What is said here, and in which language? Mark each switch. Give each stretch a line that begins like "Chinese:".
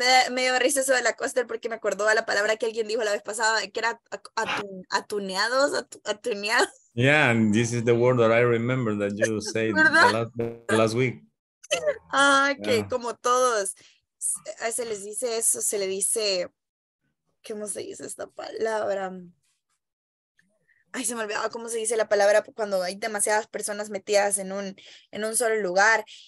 Spanish: Me dio risa eso de la coaster porque me acordó a la palabra que alguien dijo la vez pasada, que era atuneado.
English: Yeah, and this is the word that I remember that you said last week.
Spanish: Ah, okay, yeah. Como todos. Se les dice eso, se le dice, ¿cómo se dice esta palabra? Ay, se me olvidaba cómo se dice la palabra cuando hay demasiadas personas metidas en un solo lugar.